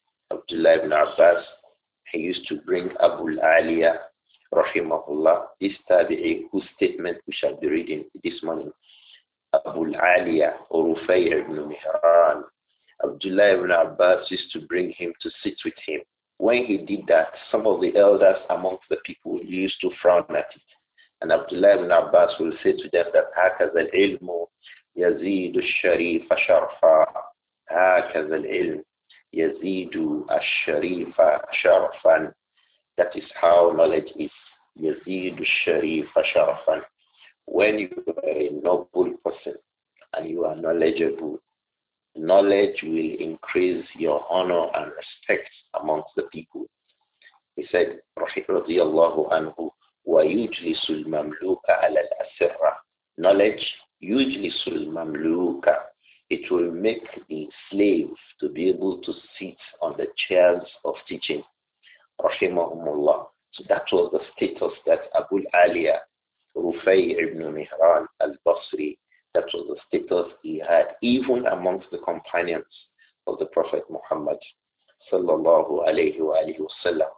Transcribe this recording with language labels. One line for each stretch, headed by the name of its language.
English: Abdullah ibn Abbas, he used to bring Abu al-Aliya, rahimahullah, this tabi'i, whose statement we shall be reading this morning, Abu al-Aliya, Rufay' ibn Mihran. Abdullah ibn Abbas used to bring him to sit with him. When he did that, some of the elders amongst the people used to frown at it. And Abdullah ibn Abbas will say to them that,
Arabic: هَكَذَا الْعِلْمُ يَزِيدُ الشَّرِيفَ شَرْفًا هَكَذَا الْعِلْمُ يَزِيدُ الشَّرِيفَ شَرْفًا.
English: That is how knowledge is.
Arabic: يَزِيدُ الشَّرِيفَ شَرْفًا.
English: When you are a noble person and you are knowledgeable, knowledge will increase your honor and respect amongst the people. He said, radiyallahu anhu,
Arabic: وَيُجْلِسُ الْمَمْلُوكَ عَلَى الْأَسِرَّةِ.
English: Knowledge,
Arabic: يُجْلِسُ الْمَمْلُوكَ.
English: It will make the slave to be able to sit on the chairs of teaching. Rahimahumullah. So that was the status that Abu al-Aliya, Rufay' ibn Mihran al-Basri, that was the status he had, even amongst the companions of the Prophet Muhammad, sallallahu alayhi wa alayhi wa sallam.